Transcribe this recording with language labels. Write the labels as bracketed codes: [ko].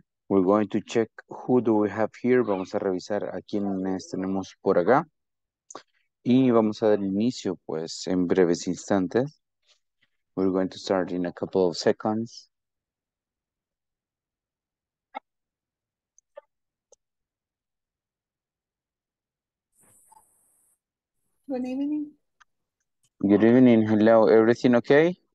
[en] We're going to check who do we have here. [es] Vamos a revisar a quiénes tenemos por acá. Y vamos a dar inicio, pues, en breves instantes. [en] We're going to start in a couple of seconds. Good evening. Good evening. Hello. Everything okay?